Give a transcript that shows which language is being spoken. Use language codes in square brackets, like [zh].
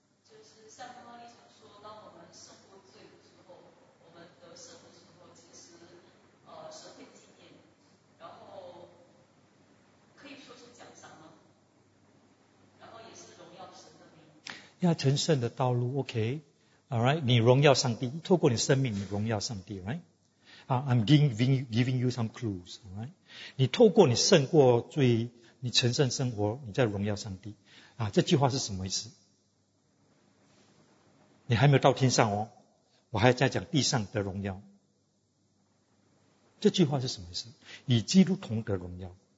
[zh] 就是像刚刚一场说，当我们胜过罪的时候，我们得胜的时候，其实神会纪念，然后可以说是奖赏吗？然后也是荣耀神的名。要成圣的道路 ，OK， All right， 你荣耀上帝，透过你生命，你荣耀上帝 ，Right？ [en] I'm giving you some clues， All right？ [zh] 你透过你胜过罪，你成圣生活，你在荣耀上帝。啊，这句话是什么意思？你还没有到天上哦，我还在讲地上的荣耀。这句话是什么意思？与基督同得荣耀。